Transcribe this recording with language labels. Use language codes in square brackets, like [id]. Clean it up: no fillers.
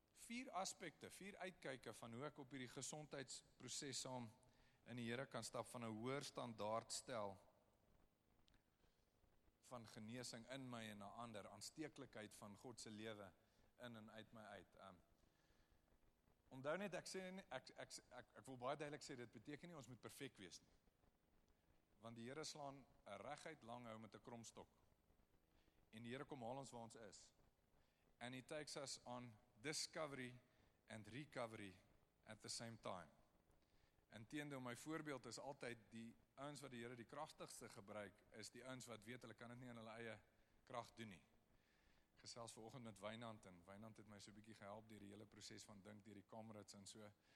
[af] Vier aspekte, vier uitkyke van hoe ek op hierdie gesondheidsproses saam in die Here kan stap van 'n hoër standaard stel van genesing in my en na ander, aansteeklikheid van God se lewe in en uit my uit. Onthou net, ek wil baie duidelik sê, dit beteken nie ons moet perfek wees nie. Want die Here slaan 'n reguit lang hou met 'n kromstok. En die Here kom haal ons waar ons is. [en] And he takes us on discovery and recovery at the same time. [af] Inteendeel, my voorbeeld is altyd die ouens wat die Here die kragtigste gebruik, is die ouens wat weet hulle kan dit nie in hulle eie krag doen nie. Gesels vanoggend met Wynand, en Wynand het my so 'n bietjie gehelp deur die hele proses van dink deur die kamerads en so.